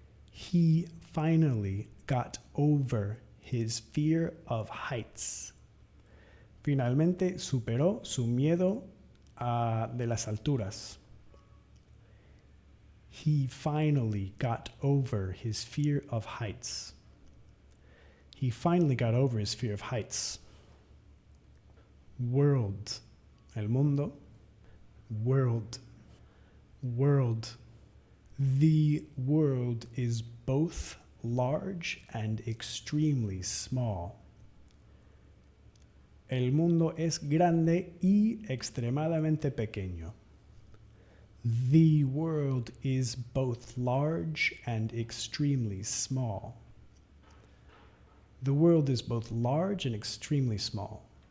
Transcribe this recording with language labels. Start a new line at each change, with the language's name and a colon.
English: He finally got over his fear of heights.
Spanish: Finalmente superó su miedo de las alturas.
English: He finally got over his fear of heights. He finally got over his fear of heights. World,
Spanish: el mundo.
English: World, world. The world is both large and extremely small.
Spanish: El mundo es grande y extremadamente pequeño.
English: The world is both large and extremely small. The world is both large and extremely small.